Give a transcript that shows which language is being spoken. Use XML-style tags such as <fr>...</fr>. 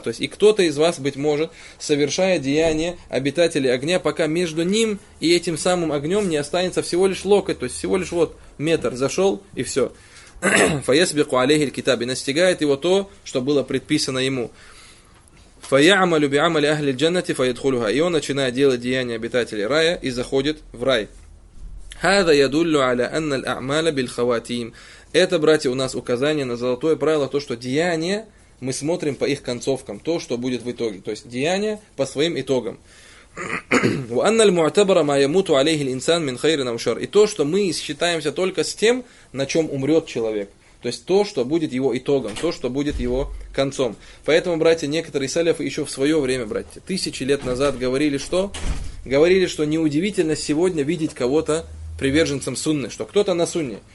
<ru>То есть, и кто-то из вас, быть может, совершая деяние обитателей огня, пока между ним и этим самым огнем не останется всего лишь локоть, то есть всего лишь вот метр зашел и все.</ru> <ar>فَيَسْبِقُ عَلَيْهِ الْكِتَابِ.</ar> <ru>Настигает его то, что было предписано ему.</ru> <ar>فَيَعْمَلُ بِعَمَلِ أَهْلِ الْجَنَّةِ فَيَدْخُلُهَا.</ar> <ru>И он начинает делать деяния обитателей рая и заходит в рай.</ru> <ar>هذا يدل على أن الأعمال بالخواتيم.</ar> <ru>Это, братья, у нас указание на золотое правило, то, что деяния мы смотрим по их концовкам, то, что будет в итоге. То есть деяния по своим итогам.</ru> <ar>وأن المعتبر ما يموت عليه الإنسان من خير أو شر.</ar> <ru>И то, что мы считаемся только с тем, на чем умрет человек. То есть то, что будет его итогом, то, что будет его концом. Поэтому, братья, некоторые саляфы еще в свое время, братья, тысячи лет назад говорили, что? Говорили, что неудивительно сегодня видеть кого-то приверженцем сунны, что кто-то на сунне.</ru>